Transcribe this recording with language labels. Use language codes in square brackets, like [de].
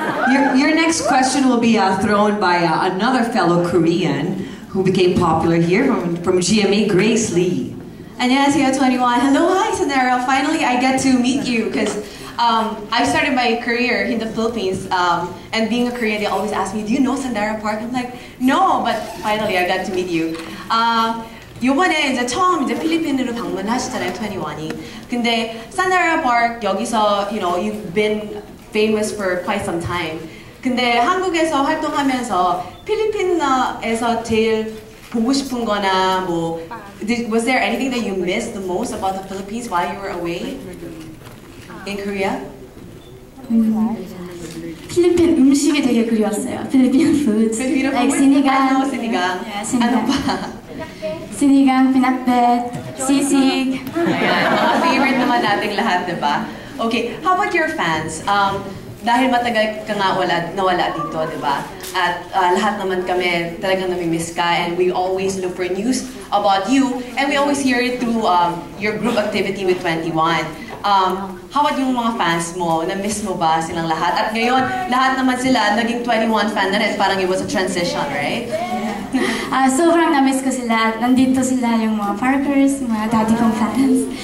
[en] Your next question will be thrown by another fellow Korean who became popular here from GMA, Grace Lee. [ko] 안녕하세요, [en] 21. Hello, hi, Sonero. Finally, I get to meet you because I started my career in the Philippines, and being a Korean, they always ask me, do you know Sandara Park? I'm like, no, but finally I got to meet you. [ko] 요번에 이제 처음 이제 필리핀으로 방문하시잖아요, 21이. 근데 [en] Sandara Park [ko] 여기서, [en] you know, you've been famous for quite some time. [ko] 근데 한국에서 활동하면서 필리핀에서 제일 보고 싶은 거나 뭐, [en] was there anything that you missed the most about the Philippines while you were away? In Korea? [ko] 필리핀 음식이 되게 그리웠어요. [en] Filipino food. Like sinigang. I know sinigang. Sinigang. Sinigang, pinakbet, sisig. [tl] Mga favorite naman natin lahat, di ba? [en] Okay, how about your fans? [tl] Dahil matagal ka nga wala, nawala dito, di ba? At lahat naman kami talagang nami-miss ka, [en] and we always look for news about you, and we always hear it through your group activity with 21. How about [tl] yung mga [en] fans [tl] mo? Na-miss mo ba silang lahat? At ngayon, lahat naman sila naging 21 fan na rin. [en] Parang it was a transition, right? Ah, yeah. [tl] Sobrang na-miss ko sila. Nandito sila yung mga Parkers, mga daddy kong fans.